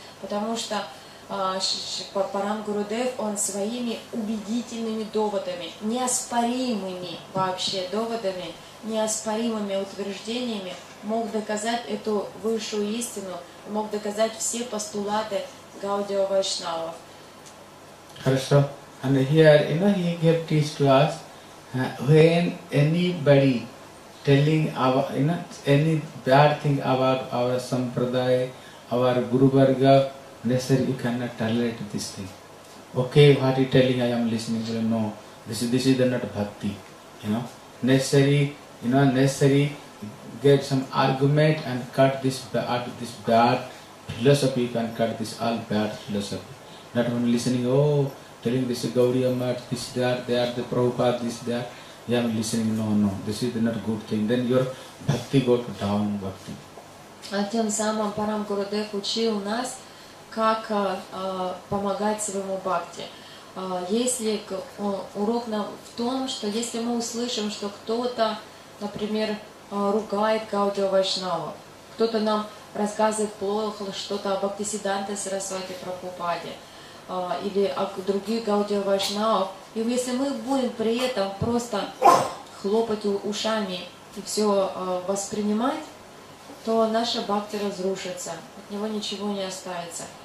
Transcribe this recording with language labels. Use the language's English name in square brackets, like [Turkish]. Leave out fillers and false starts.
[Russian] Потому что Парам Гурудев, он своими убедительными доводами, неоспоримыми вообще доводами, неоспоримыми утверждениями мог доказать эту высшую истину, мог доказать все постулаты Гаудия Вайшнавов. Хорошо. [English] And here, you know, he gave teach to us, when anybody telling our, you know, any bad thing about our sampradaya, our Guru Varga, necessary, you cannot tolerate this thing. Okay, what you telling, I am listening. Well, no, this is not bhakti. You know, necessary, get some argument and cut this bad philosophy, you can cut this all bad philosophy. Not only listening, oh, telling this is Gaudiya Math, this, that, they are the Prabhupada, this, that. I am listening, no, this is not a good thing. Then your bhakti go to down, bhakti. [Russian] Тем самым Парам Гурудев учил нас, как помогать своему бхакти. Если урок нам в том, что если мы услышим, что кто-то, например, ругает Гаудия Вайшнава, кто-то нам рассказывает плохо что-то о Бхактисиддханте Сарасвати Прабхупаде или о других Гаудия Вайшнавах, и если мы будем при этом просто хлопать ушами и все воспринимать, то наша бхакти разрушится, от него ничего не останется.